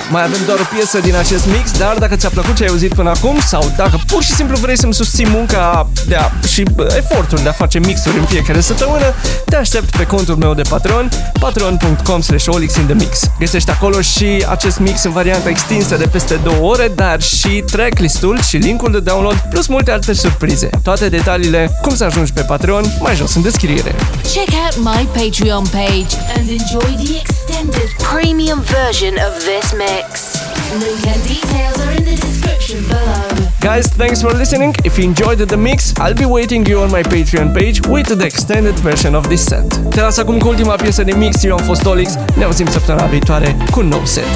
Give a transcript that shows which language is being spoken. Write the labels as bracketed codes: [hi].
[ro] Mai avem doar o piesă din acest mix, dar dacă ți-a plăcut ce ai auzit până acum sau dacă pur și simplu vrei să-mi susții munca și efortul de a face mixuri în fiecare săptămână, te aștept pe contul meu de Patreon, patreon.com/OLiX in the Mix. Găsești acolo și acest mix în varianta extinsă de peste 2 ore, dar și tracklist-ul și link-ul de download, plus multe alte surprize. Toate detaliile, cum să ajungi pe Patreon, mai jos în descriere. [en] Check out my Patreon page and enjoy the extended premium version of this mix. Link and details are in the description below. Guys, thanks for listening. If you enjoyed the mix, I'll be waiting you on my Patreon page with the extended version of this set. [ro] Te las acum cu ultima piesă de mix. Eu am fost OLiX. Ne auzim săptămâna viitoare cu un nou set.